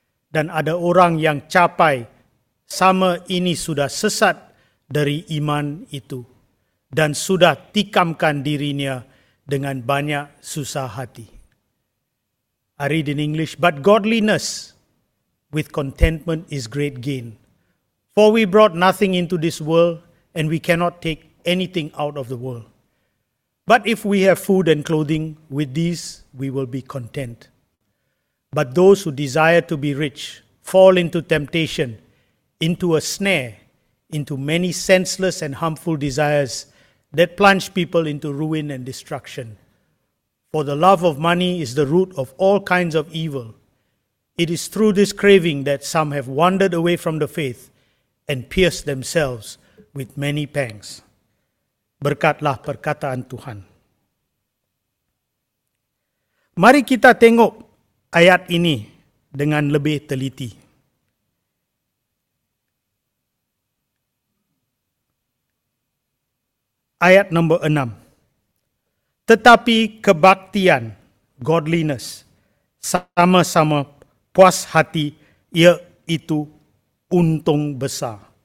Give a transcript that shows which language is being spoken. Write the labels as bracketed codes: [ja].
[ms] Dan ada orang yang capai sama ini sudah sesat dari iman itu dan sudah tikamkan dirinya dengan banyak susah hati. [en] I read in English, but godliness with contentment is great gain. For we brought nothing into this world and we cannot take anything out of the world. But if we have food and clothing, with these we will be content. But those who desire to be rich fall into temptation, into a snare, into many senseless and harmful desires that plunge people into ruin and destruction. For the love of money is the root of all kinds of evil. It is through this craving that some have wandered away from the faith and pierced themselves with many pangs. [ms] Berkatlah perkataan Tuhan. Mari kita tengok ayat ini dengan lebih teliti. Ayat nombor 6. Tetapi kebaktian, godliness, sama-sama puas hati, iaitu untung besar.